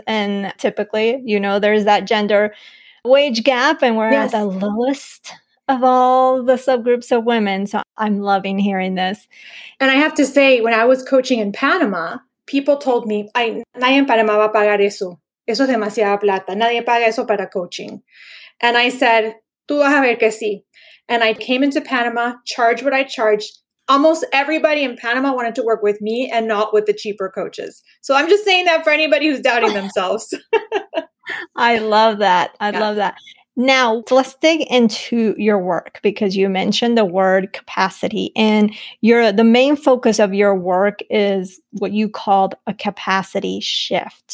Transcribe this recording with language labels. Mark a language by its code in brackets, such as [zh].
[en] And typically, you know, there's that gender wage gap and we're at the lowest of all the subgroups of women. So I'm loving hearing this. And I have to say, when I was coaching in Panama, people told me, [es] nadie en Panama va a pagar eso. Eso es demasiada plata. Nadie paga eso para coaching. [en] And I said, [es] tú vas a ver que sí. [en] And I came into Panama, charged what I charged. Almost everybody in Panama wanted to work with me and not with the cheaper coaches. So I'm just saying that for anybody who's doubting themselves. I love that. I love that. Now, let's dig into your work because you mentioned the word capacity and the main focus of your work is what you called a capacity shift.